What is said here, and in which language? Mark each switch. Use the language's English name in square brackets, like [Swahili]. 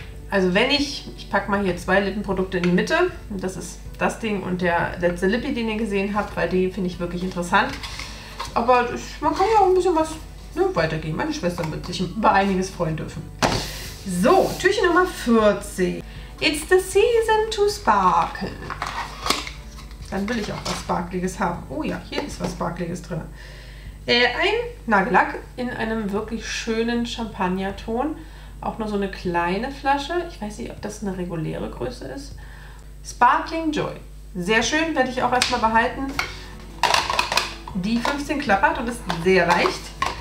[German] Also wenn ich packe mal hier 2 Lippenprodukte in die Mitte, das ist das Ding und der letzte Lippi, den ihr gesehen habt, weil die finde ich wirklich interessant. Aber man kann ja auch ein bisschen was, ne, weitergehen, meine Schwester wird sich über einiges freuen dürfen. So, Türchen Nummer 14. [English] It's the season to sparkle. [German] Dann will ich auch was Sparkliges haben. Oh ja, hier ist was Sparkliges drin. Ein Nagellack in einem wirklich schönen Champagnerton. Auch nur so eine kleine Flasche. Ich weiß nicht, ob das eine reguläre Größe ist. Sparkling Joy. Sehr schön, werde ich auch erstmal behalten. Die 15 klappert und ist sehr leicht.